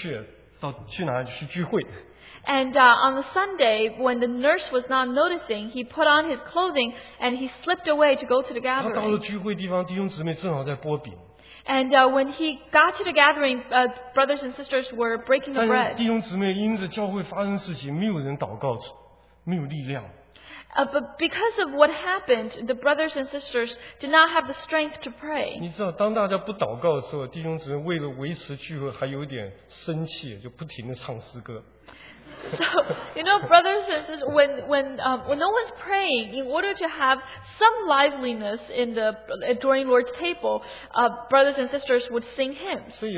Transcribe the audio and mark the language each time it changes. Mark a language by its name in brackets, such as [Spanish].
[Chinese] 有一个主日，他趁护士没看着，他穿上了便服就溜出去，到去哪去聚会。 [English] And on the Sunday, when the nurse was not noticing, he put on his clothing and he slipped away to go to the gathering. [Chinese] 他到了聚会地方，弟兄姊妹正好在剥饼。 [English] And when he got to the gathering, brothers and sisters were breaking the bread. [Chinese] 弟兄姊妹因着教会发生事情，没有人祷告，没有力量。 [English] But because of what happened, the brothers and sisters did not have the strength to pray. [Chinese] 你知道，当大家不祷告的时候，弟兄姊妹为了维持聚会还有点生气，就不停的唱诗歌。 [English] So, you know, brothers and sisters, when no one's praying, in order to have some liveliness in the during Lord's table, brothers and sisters would sing hymns.